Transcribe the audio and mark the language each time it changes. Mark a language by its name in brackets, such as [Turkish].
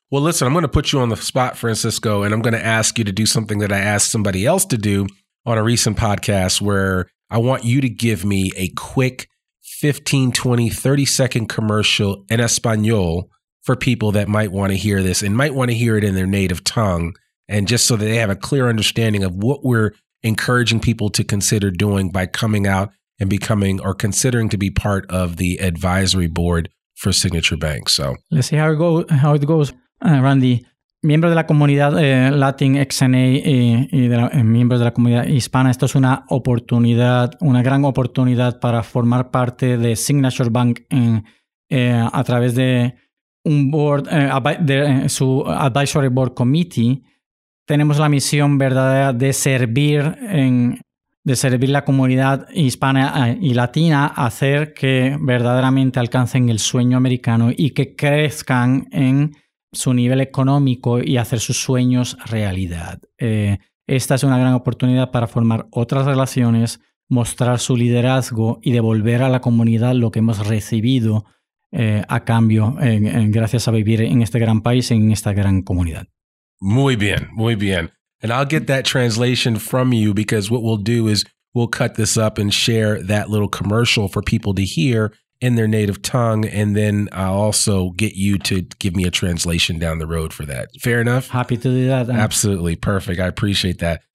[English] Well, listen, I'm going to put you on the spot, Francisco, and I'm going to ask you to do something that I asked somebody else to do on a recent podcast, where I want you to give me a quick 15, 20, 30 second commercial en español for people that might want to hear this and might want to hear it in their native tongue. And just so that they have a clear understanding of what we're encouraging people to consider doing by coming out and becoming or considering to be part of the advisory board for Signature Bank. So let's see how it goes. [Spanish] Randy, miembros de la comunidad Latin XNA miembros de la comunidad hispana, esto es una oportunidad, una gran oportunidad para formar parte de Signature Bank a través de un board, su [English] advisory board committee. [Spanish] Tenemos la misión verdadera de servir la comunidad hispana y latina, hacer que verdaderamente alcancen el sueño americano y que crezcan en su nivel económico y hacer sus sueños realidad. Esta es una gran oportunidad para formar otras relaciones, mostrar su liderazgo y devolver a la comunidad lo que hemos recibido a cambio, gracias a vivir en este gran país, en esta gran comunidad. Muy bien, muy bien. [English] And I'll get that translation from you, because what we'll do is we'll cut this up and share that little commercial for people to hear in their native tongue. And then I'll also get you to give me a translation down the road for that. Fair enough? Happy to do that. Absolutely. Perfect. I appreciate that.